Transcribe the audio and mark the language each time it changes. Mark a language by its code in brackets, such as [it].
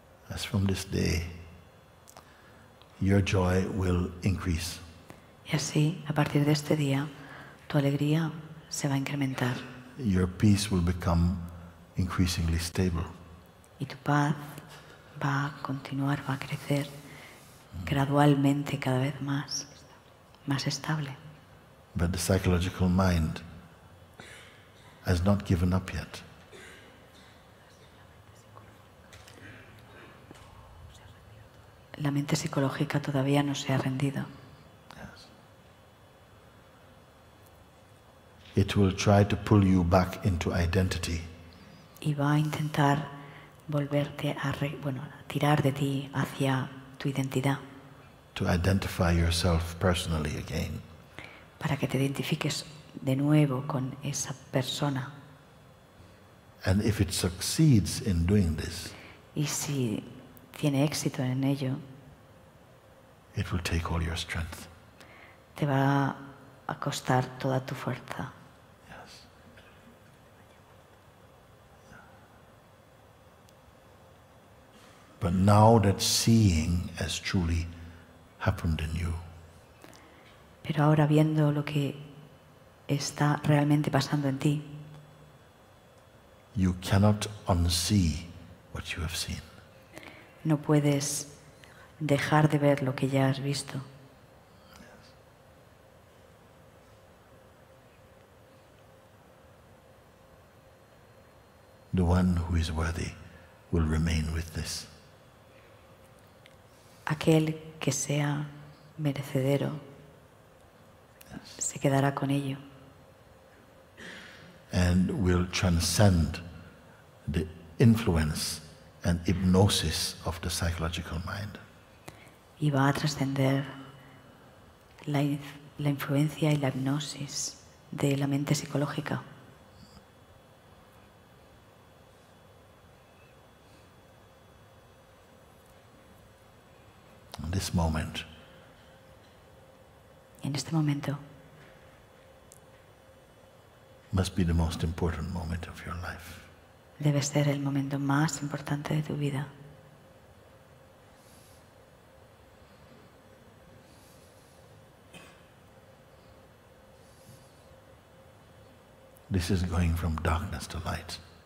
[en] As from this day, your joy will increase. [es] Y así, a partir de este día, tu alegría se va a incrementar. [en] Your peace will become increasingly stable. [es] Y tu paz va a continuar, va a crecer gradualmente, cada vez más, más estable. [en] But the psychological mind has not given up yet. [es] La, La mente psicológica todavía no se ha rendido. [en] It will try to pull you back into identity. [es] Y va a intentar volverte a tirar de ti hacia tu identidad. [en] To identify yourself personally again. [es] Para que te identifiques de nuevo con esa persona. [en] And if it succeeds in doing this, [es] y si tiene éxito en ello, [en] it will take all your strength. [es] Te va a costar toda tu fuerza. [en] Yes. But now that seeing has truly happened in you. [es] Pero ahora viendo lo que está realmente pasando en ti. [en] You cannot unsee what you have seen. [es] No puedes dejar de ver lo que ya has visto. [en] Yes. The one who is worthy will remain with this. [es] Aquel que sea merecedero, [en] yes, [es] se quedará con ello. [en] And will transcend the influence and hypnosis of the psychological mind. [es] Y va a trascender la influencia y la hipnosis de la mente psicológica. [en] In this moment. [es] En este momento. [en] Must be the most important moment of your life. [es] Debe ser el momento más importante de tu vida. [en] This is going from darkness to light.